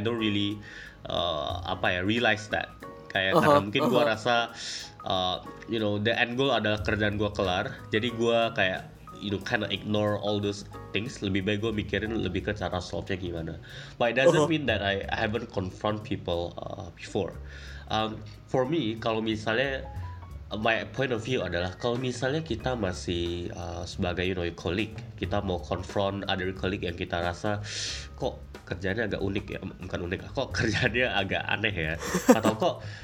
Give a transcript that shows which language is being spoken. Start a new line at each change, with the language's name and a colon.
English: I don't really realize that.
Indonesian: Kayak karena mungkin gue rasa,
English: you know, the end goal
Indonesian: adalah kerjaan gue kelar. Jadi gue kayak,
English: you know, kind of ignore all those things.
Indonesian: Lebih baik gue mikirin lebih ke cara solve-nya gimana.
English: But it doesn't mean that I haven't confront people before.
Indonesian: For me, kalau misalnya
English: my point of view
Indonesian: adalah kalau misalnya kita masih sebagai,
English: you know,
Indonesian: colleague, kita mau
English: confront other colleague
Indonesian: yang kita rasa kok kerjanya agak unik ya, bukan unik, kok kerjanya agak aneh ya, atau kok